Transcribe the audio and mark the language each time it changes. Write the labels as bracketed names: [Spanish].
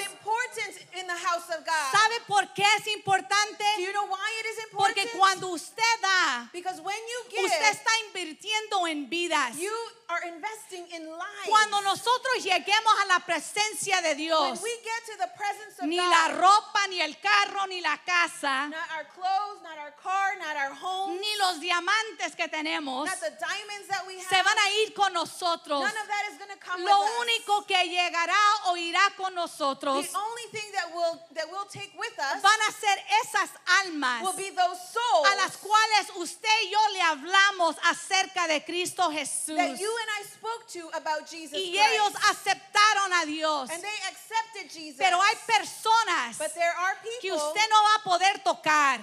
[English] Is important in the house of God. [Spanish] ¿Sabe por qué es importante? [English] Do you know why it is important? [Spanish] Porque cuando usted da. [English] Because when you give. [Spanish] Usted está invirtiendo en vidas. [English] You are investing in lives. [Spanish] Cuando nosotros lleguemos a la presencia de Dios. [English] When we get to the presence of [Spanish] ni [English] God. [Spanish] Ni la ropa, ni el carro, ni la casa. [English] Not our clothes, not our car, not our home. [Spanish] Ni los diamantes que tenemos. [English] Not the diamonds that we have. [Spanish] Se van a ir con nosotros. [English] None of that is going to come [Spanish] lo [English] with us. [Spanish] Lo único que llegará o irá con nosotros. [English] The only thing that we'll take with us. [Spanish] Van a ser esas almas. [English] Will be those souls. [Spanish] A las cuales usted y yo le hablamos acerca de Cristo Jesús. [English] You and I spoke to about Jesus [Spanish] y ellos [English] Christ. [Spanish] Aceptaron a Dios. [English] And they accepted Jesus. [Spanish] Pero hay personas [English] but there are people [Spanish] que usted no va a poder tocar.